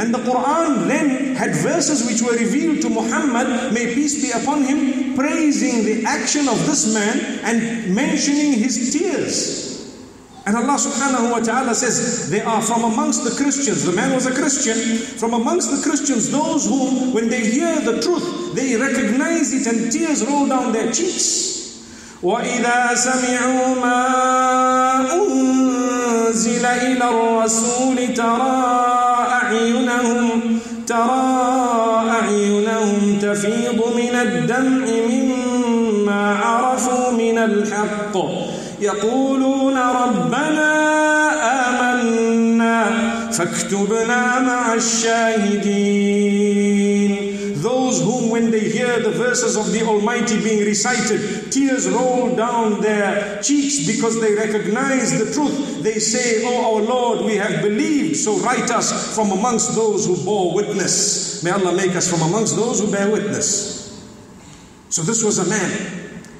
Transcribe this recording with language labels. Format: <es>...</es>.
<en>And the Quran then had verses which were revealed to Muhammad, may peace be upon him, praising the action of this man and mentioning his tears. And Allah subhanahu wa ta'ala says, they are from amongst the Christians. The man was a Christian. From amongst the Christians, those whom, when they hear the truth, they recognize it and tears roll down their cheeks.</en> <ar>وَإِذَا سَمِعُوا مَا أُنزِلَ إِلَى الرَّسُولِ تَرَى أَعْيُنَهُمْ تَفِيضُ مِنَ الدَّمْعِ مِمَّا عَرَفُوا مِنَ الْحَقِّ يقولون ربنا آمنا فاكتبنا مع الشاهدين.</ar> <en>Those whom, when they hear the verses of the Almighty being recited, tears roll down their cheeks because they recognize the truth. They say, oh, our Lord, we have believed, so write us from amongst those who bore witness. May Allah make us from amongst those who bear witness. So this was a man.</en>